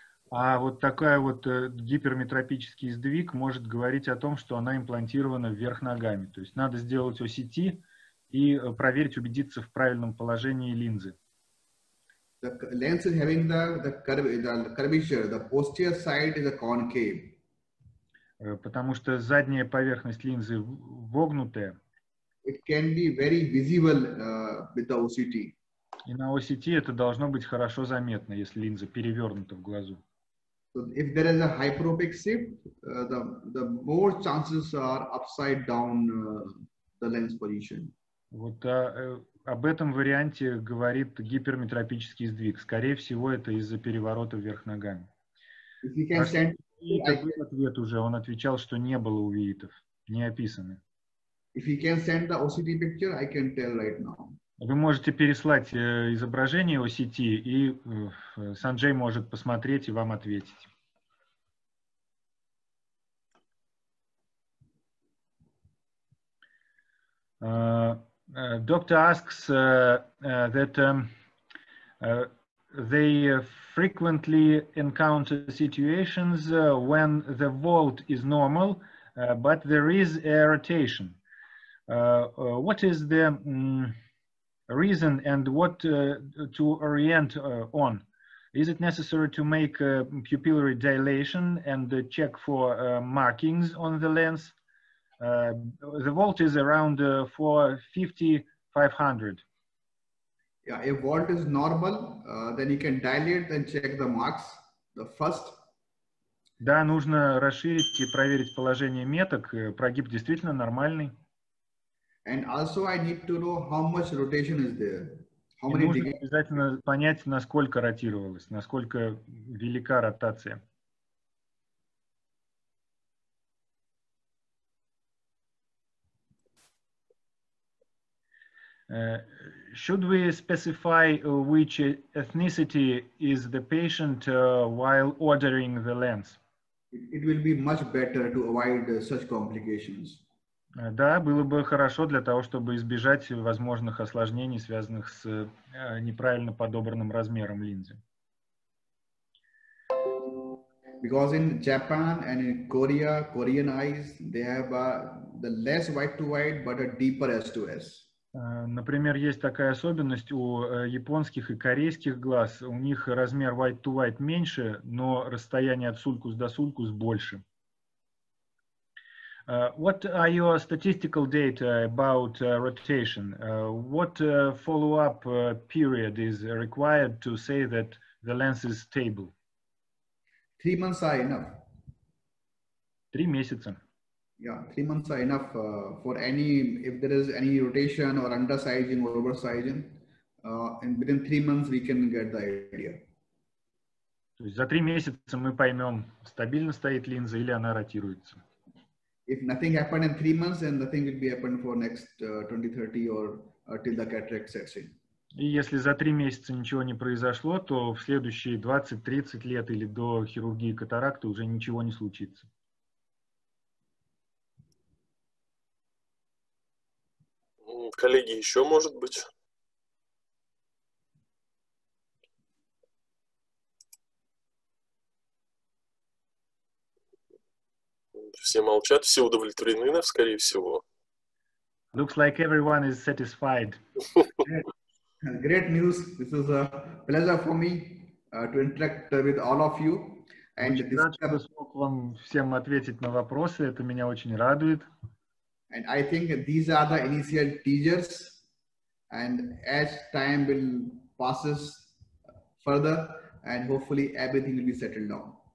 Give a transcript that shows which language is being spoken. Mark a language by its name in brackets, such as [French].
[Russian] А вот такая вот гиперметропический сдвиг может говорить о том, что она имплантирована вверх ногами. То есть надо сделать OCT и проверить, убедиться в правильном положении линзы. [English] The lens is having the curvature, the posterior side is a concave. [Russian] Потому что задняя поверхность линзы вогнутая. [English] It can be very visible with the OCT. [Russian] И на OCT это должно быть хорошо заметно, если линза перевернута в глазу. [English] So if there is a hyperopic shift, the more chances are upside down the lens position. [Russian] Вот об этом варианте говорит гиперметропический сдвиг. Скорее всего, это из-за переворота вверх ногами. [English] If you can send... [Russian] ответ уже, он отвечал, что не было увиитов, не описаны. [English] If you can send the OCT picture, I can tell right now. [Russian] Вы можете переслать изображение OCT, и Санджей может посмотреть и вам ответить. Доктор [English] asks that they frequently encounter situations when the vault is normal, but there is a rotation. What is the reason and what to orient on? Is it necessary to make a pupillary dilation and check for markings on the lens? The vault is around 450-500. Yeah, if vault is normal, then you can dilate and check the marks, the first. [Russian] Да, нужно расширить и проверить положение меток. Прогиб действительно нормальный. [English] And also I need to know how much rotation is there. How many degrees? [Russian] Нужно обязательно понять, насколько ротировалось, насколько велика ротация. [English] Should we specify which ethnicity is the patient while ordering the lens? It will be much better to avoid such complications. [Russian] Да, было бы хорошо для того, чтобы избежать возможных осложнений, связанных с неправильно подобранным размером линзы. [English] Because in Japan and in Korea, Korean eyes, they have the less white to white, but a deeper S2S. [Russian] Например, есть такая особенность у японских и корейских глаз. У них размер white-to-white меньше, но расстояние от sulcus до sulcus больше. [English] What are your statistical data about rotation? What follow-up period is required to say that the lens is stable? 3 months are enough. [Russian] 3 месяца. [English] Yeah, 3 months are enough for any, if there is any rotation or undersizing or oversizing, and within 3 months we can get the idea. [Russian] То есть за 3 месяца мы поймем, стабильно стоит линза или она ротируется. [English] If nothing happened in 3 months, then nothing will be happened for next 20-30 or till the cataract sets in. [Russian] И если за 3 месяца ничего не произошло, то в следующие 20-30 лет или до хирургии катаракты уже ничего не случится. Коллеги, еще может быть? Все молчат, все удовлетворены, скорее всего. [English] Looks like everyone is satisfied. Great news. This is a pleasure for me to interact with all of you. [Russian] And очень рад, что смог вам всем ответить на вопросы. Это меня очень радует. [English] And I think these are the initial teasers, and as time will passes further, and hopefully everything will be settled down.